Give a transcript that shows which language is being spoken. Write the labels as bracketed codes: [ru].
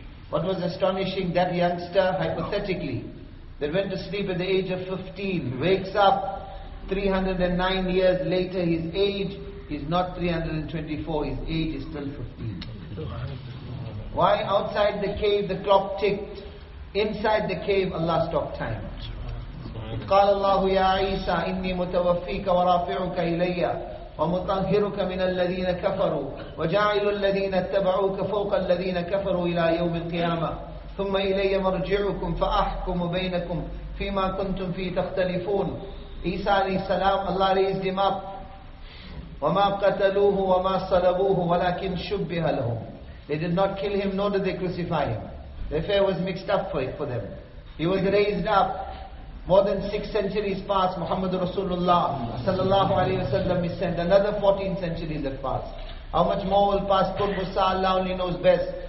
[en] What was astonishing, that youngster, hypothetically, that went to sleep at the age of 15, wakes up 309 years later, his age is not 324, his age is still 15. Why outside the cave the clock ticked, inside the cave Allah stopped time. [ar] إذ قال الله يا عيسى إني متوفيك ورافعك إلي ومطهرك من الذين كفروا وجاعل الذين اتبعوك فوق الذين كفروا إلى يوم القيامة ثم إلي مرجعكم فأحكم بينكم فيما كنتم فيه تختلفون. عيسى عليه السلام الله [en] raised him up. [ar] وما قتلوه وما صلبوه ولكن شبه لهم. [en] They did not kill him nor did they crucify him. The affair was mixed up for them. He was raised up. More than 6 centuries passed. Muhammad Rasulullah sallallahu alayhi wa sallam is sent. Another 14 centuries have passed. How much more will pass? Qurbusa Allah only knows best.